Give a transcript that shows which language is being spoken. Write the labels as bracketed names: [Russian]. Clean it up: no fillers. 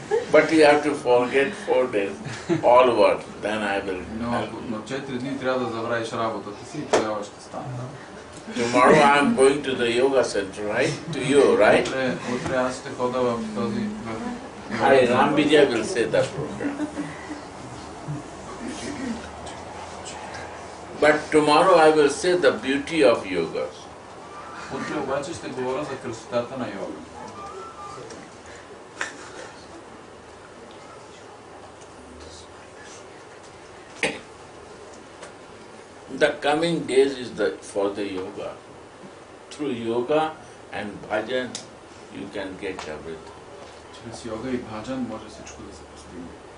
[English] But you have to forget 4 days, all work, then I will help you. [Bulgarian] Но 4 дни трябва да забравиш работата си и тогава ще стане. [English] Tomorrow I am going to the yoga center, right? To you, right? [Bulgarian] Утре аз ще хода в този... [English] Hare Rambija will say that program. But tomorrow I will say the beauty of yoga. [Bulgarian] Утре обаче ще говоря за красотата на йога. [English] The coming days is the for the yoga. Through yoga and bhajan, you can get everything. [Bulgarian] Через йога и бхаджан може всичко да се постигне.